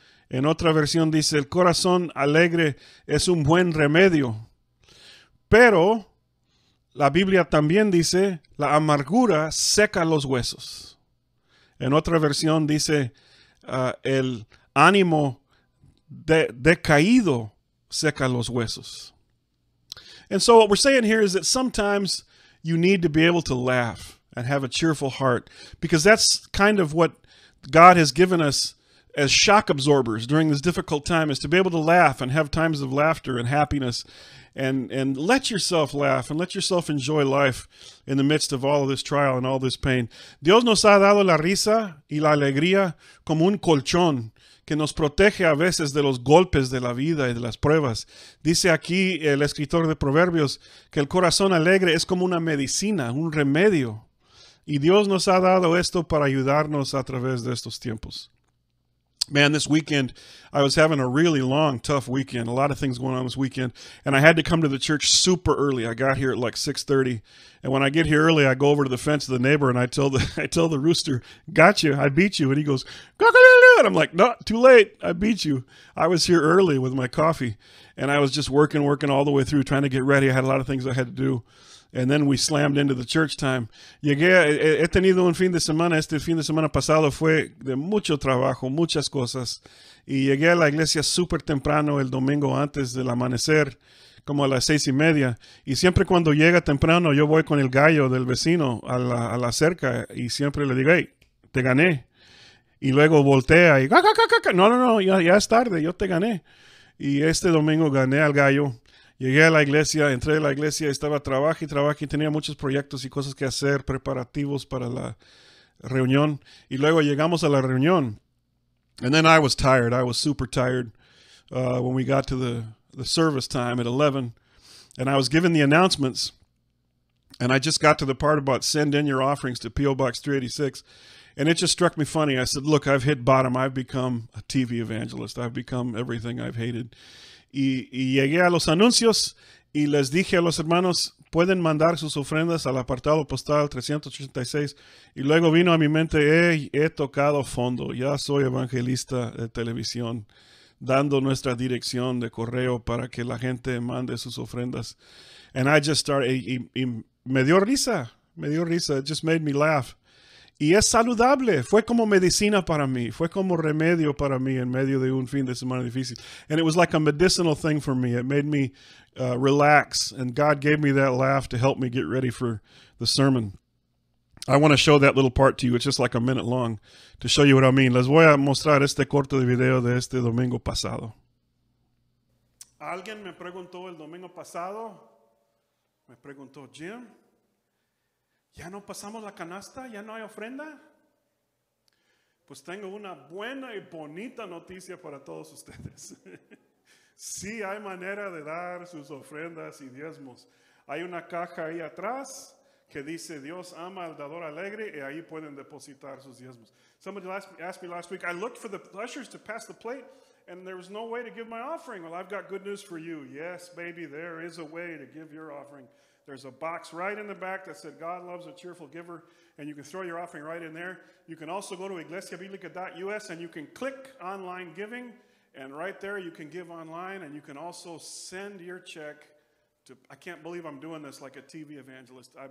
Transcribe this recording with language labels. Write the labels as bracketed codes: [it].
[es] En otra versión dice, el corazón alegre es un buen remedio. Pero la Biblia también dice, la amargura seca los huesos. En otra versión dice, el ánimo decaído seca los huesos. [en] And so what we're saying here is that sometimes you need to be able to laugh and have a cheerful heart, because that's kind of what God has given us as shock absorbers during this difficult time, is to be able to laugh and have times of laughter and happiness and let yourself laugh and let yourself enjoy life in the midst of all of this trial and all this pain. [es] Dios nos ha dado la risa y la alegría como un colchón que nos protege a veces de los golpes de la vida y de las pruebas. Dice aquí el escritor de Proverbios que el corazón alegre es como una medicina, un remedio. Y Dios nos ha dado esto para ayudarnos a través de estos tiempos. [en] Man, this weekend, I was having a really long, tough weekend. A lot of things going on this weekend. And I had to come to the church super early. I got here at like 6:30. And when I get here early, I go over to the fence of the neighbor and I tell the rooster, "Got you, I beat you." And he goes, "Cock-a-doodle-doo." And I'm like, "No, too late, I beat you." I was here early with my coffee. And I was just working all the way through, trying to get ready. I had a lot of things I had to do. And then we slammed into the church time. [es] Llegué, he tenido un fin de semana. Este fin de semana pasado fue de mucho trabajo, muchas cosas. Y llegué a la iglesia súper temprano el domingo antes del amanecer, como a las 6:30. Y siempre cuando llega temprano, yo voy con el gallo del vecino a la cerca. Y siempre le digo, "Hey, te gané." Y luego voltea y, no, ya es tarde, yo te gané. Y este domingo gané al gallo. Llegué a la iglesia, entré a la iglesia, estaba trabajo y tenía muchos proyectos y cosas que hacer, preparativos para la reunión. Y luego llegamos a la reunión. [en] And then I was tired. I was super tired when we got to the service time at 11. and I was given the announcements, and I just got to the part about send in your offerings to P.O. Box 386, and it just struck me funny. I said, look, I've hit bottom. I've become a TV evangelist. I've become everything I've hated. [es] Y llegué a los anuncios, y les dije a los hermanos, pueden mandar sus ofrendas al apartado postal 386. Y luego vino a mi mente, he tocado fondo. Ya soy evangelista de televisión, dando nuestra dirección de correo para que la gente mande sus ofrendas. [en] And I just started, [es] y me dio risa. [en] It just made me laugh. [es] Y es saludable. Fue como medicina para mí. Fue como remedio para mí en medio de un fin de semana difícil. [en] And it was like a medicinal thing for me. It made me relax. And God gave me that laugh to help me get ready for the sermon. I want to show that little part to you. It's just like a minute long to show you what I mean. [es] Les voy a mostrar este corto de video de este domingo pasado. Alguien me preguntó el domingo pasado. Me preguntó, Jim. ¿Ya no pasamos la canasta? ¿Ya no hay ofrenda? Pues tengo una buena y bonita noticia para todos ustedes. Sí hay manera de dar sus ofrendas y diezmos. Hay una caja ahí atrás que dice Dios ama al dador alegre y ahí pueden depositar sus diezmos. [en] Somebody asked me last week, I looked for the ushers to pass the plate and there was no way to give my offering. Well, I've got good news for you. Yes, baby, there is a way to give your offering. There's a box right in the back that said God loves a cheerful giver, and you can throw your offering right in there. You can also go to iglesiabiblica.us, and you can click online giving, and right there you can give online, and you can also send your check to, I can't believe I'm doing this like a TV evangelist.